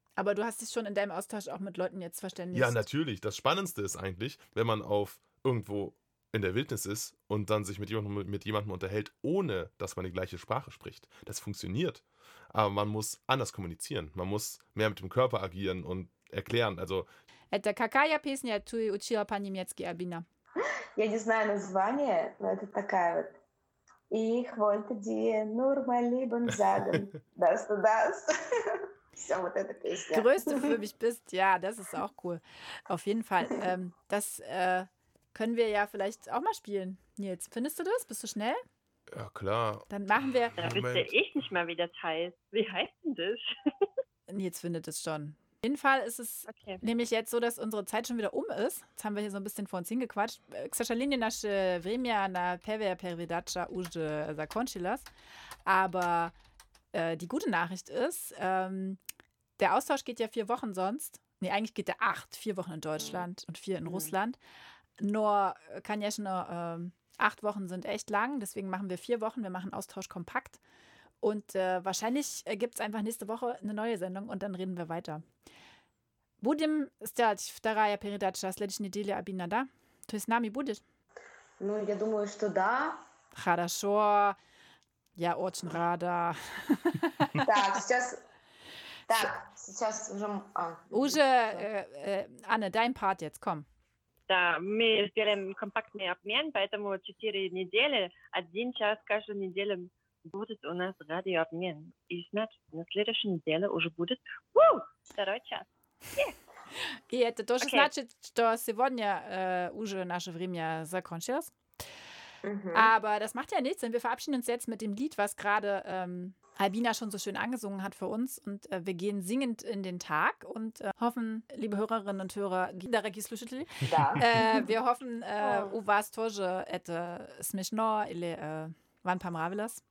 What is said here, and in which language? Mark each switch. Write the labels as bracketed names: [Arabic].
[German] Aber du hast dich schon in deinem Austausch auch mit Leuten jetzt verständigt. Ja, natürlich. Das Spannendste ist eigentlich, wenn man auf irgendwo in der Wildnis ist und dann sich mit jemandem unterhält, ohne dass man die gleiche Sprache spricht. Das funktioniert. Aber man muss anders kommunizieren. Man muss mehr mit dem Körper agieren und erklären. Also. [Russian] Это какая песня ты учила по-немецки, Альбина? Я не знаю название, но это такая вот. [German] Ich wollte dir nur mein Leben sagen, dass du das. [Russian] Вся вот эта песня. [German] Größte für mich bist, ja, das ist auch cool. Auf jeden Fall. Das können wir ja vielleicht auch mal spielen, Nils. Findest du das? Bist du schnell? Ja, klar. Dann machen wir. Da bist ja ich nicht mal wieder teil. Wie heißt denn das? Nils findet es schon. Auf jeden Fall ist es nämlich jetzt so, dass unsere Zeit schon wieder um ist. Jetzt haben wir hier so ein bisschen vor uns hingequatscht. [Russian] К сожалению, наше время на первая передача уже закончилось. [German] Aber die gute Nachricht ist, der Austausch geht ja 4 Wochen sonst. Nee, eigentlich geht der 8. 4 Wochen in Deutschland und 4 in Russland. Nur kann ja schon nur 8 Wochen sind echt lang. Deswegen machen wir 4 Wochen. Wir machen Austausch kompakt. Und wahrscheinlich gibt es einfach nächste Woche eine neue Sendung und dann reden wir weiter. [Russian] Будем сделать вторая передача следующей недели, Абина, да? Ты с нами будешь? Ну, я думаю, что да. Хорошо. Я очень рада. Так, сейчас... Так, сейчас уже... Уже... Анна, дай парт [German] jetzt, komm. [Russian] Да, мы сделаем компактный обмен, поэтому 4 недели, 1 час каждую неделю... Будет у нас радиообмен. И значит, на следующей неделе уже будет второй час. И это тоже значит, что сегодня уже наше время закончилось. [German] Aber das macht ja nichts, denn wir verabschieden uns jetzt mit dem Lied, was gerade Albina schon so schön angesungen hat für uns. Und wir gehen singend in den Tag und hoffen, liebe Hörerinnen und Hörer, [Russian] Dareki Slushitli, [German] wir hoffen, [Russian] у вас тоже это смешно или вам понравилось.